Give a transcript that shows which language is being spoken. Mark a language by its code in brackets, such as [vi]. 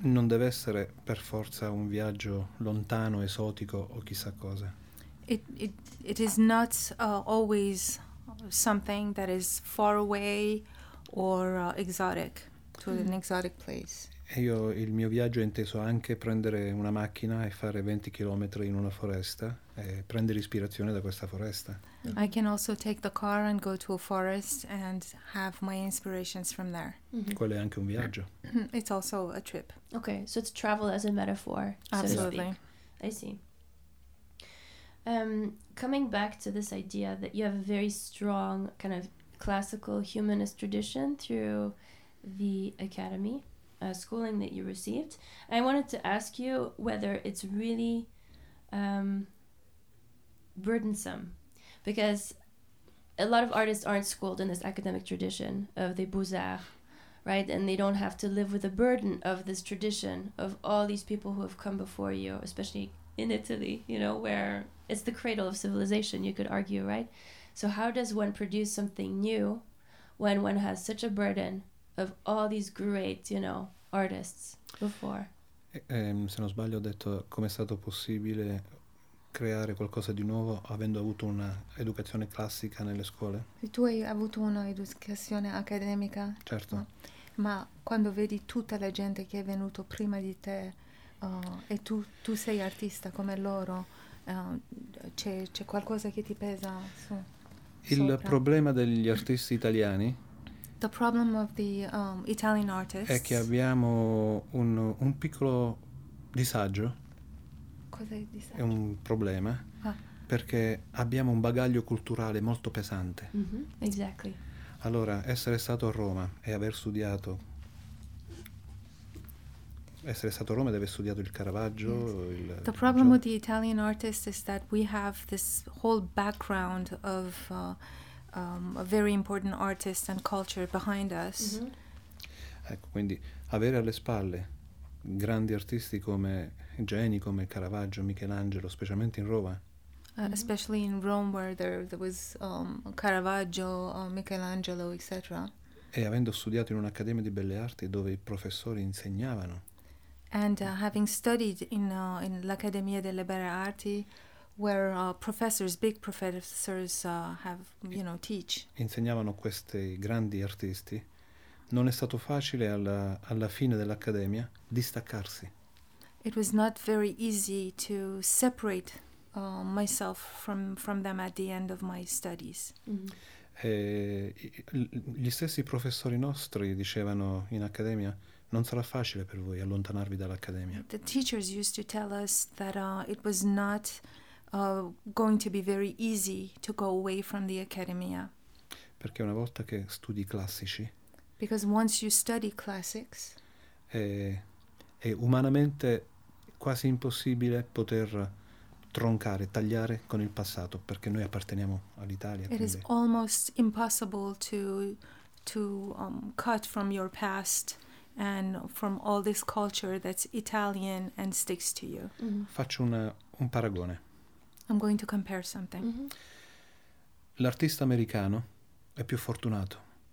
[it] non deve essere per forza un viaggio lontano, esotico o chissà cosa. [en] It is not always something that is far away or exotic, to an exotic place. [it] E io il mio viaggio è inteso anche prendere una macchina e fare 20 km in una foresta e prendere ispirazione da questa foresta. [en] I can also take the car and go to a forest and have my inspirations from there. [it] Mm-hmm. Quello è anche un viaggio. [en] It's also a trip. Okay, so it's travel as a metaphor. Absolutely. I see. Coming back to this idea that you have a very strong kind of classical humanist tradition through the academy, schooling that you received, I wanted to ask you whether it's really burdensome, because a lot of artists aren't schooled in this academic tradition of the Beaux-Arts, right? And they don't have to live with the burden of this tradition of all these people who have come before you, especially in Italy, you know, where it's the cradle of civilization, you could argue, right? So how does one produce something new when one has such a burden of all these great, you know, artists before? [it] Se non sbaglio, ho detto come è stato possibile creare qualcosa di nuovo avendo avuto una educazione classica nelle scuole. E tu hai avuto una educazione accademica? Certo. Ma quando vedi tutta la gente che è venuto prima di te e tu sei artista come loro, c'è qualcosa che ti pesa su? Il sopra. Problema degli artisti italiani? [en] The problem of the Italian artists. [it] È che abbiamo un piccolo disagio. Cos'è il disagio? È un problema. Perché abbiamo un bagaglio culturale molto pesante. [en] Mm-hmm. Exactly. [it] Allora, essere stato a Roma e aver studiato. Essere stato a Roma ed aver studiato il Caravaggio. [en] Yes. The problem with the Italian artists is that we have this whole background of a very important artist and culture behind us. Mm-hmm. [it] Ecco, quindi avere alle spalle grandi artisti come geni come Caravaggio, Michelangelo, specialmente in Roma. Mm-hmm. [en] Especially in Rome, where there was Caravaggio, Michelangelo, etc. [it] E avendo studiato in un'accademia di belle arti dove i professori insegnavano. [en] And having studied in l'Accademia delle Belle Arti, where professors, big professors, have, you know, teach. [it] Insegnavano questi grandi artisti. Non è stato facile alla fine dell'accademia distaccarsi. [en] It was not very easy to separate myself from them at the end of my studies. Mm-hmm. [it] Gli stessi professori nostri dicevano in accademia, non sarà facile per voi allontanarvi dall'accademia. [en] The teachers used to tell us that it was not going to be very easy to go away from the academia. [it] Perché una volta che studi classici. [en] Because once you study classics. [it] È umanamente quasi impossibile poter troncare, tagliare con il passato, perché noi apparteniamo all'Italia. [en] It is almost impossible to cut from your past and from all this culture that's Italian and sticks to you. [it] Mm-hmm. Faccio un paragone. [en] I'm going to compare something. Mm-hmm. [it] L'artista americano è più fortunato.